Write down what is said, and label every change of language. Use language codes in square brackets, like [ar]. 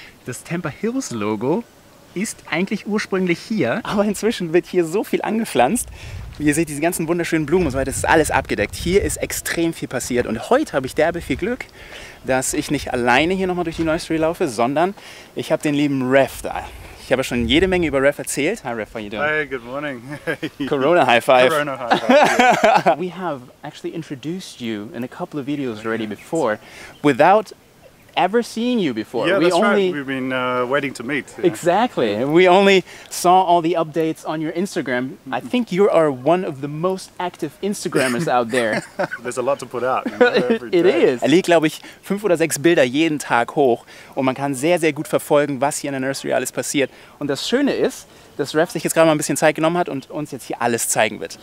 [de] Das Tampa Hills Logo ist eigentlich ursprünglich hier, aber inzwischen wird hier so viel angepflanzt. Ihr seht diese ganzen wunderschönen Blumen und so weiter, das ist alles abgedeckt. Hier ist extrem viel passiert und heute habe ich derbe viel Glück, dass ich nicht alleine hier nochmal durch die Nursery laufe, sondern ich habe den lieben Rev da. Ich habe schon jede Menge über Rev erzählt. [en] Hi Rev, how are you doing? Hi, good morning. Corona High Five. Corona High Five. We have actually introduced you in a couple of videos already before without ever seeing you before. Yeah, that's right. We've been waiting to meet. Yeah. Exactly. We only saw all the updates on your Instagram. I think you are one of the most active Instagrammers out there. There's a lot to put out. It is. [de] Er legt, glaube ich, 5 oder 6 Bilder jeden Tag hoch. Und man kann sehr, sehr gut verfolgen, was hier in der Nursery alles passiert. Und das Schöne ist, dass Rev sich jetzt gerade mal ein bisschen Zeit genommen hat und uns jetzt hier alles zeigen wird.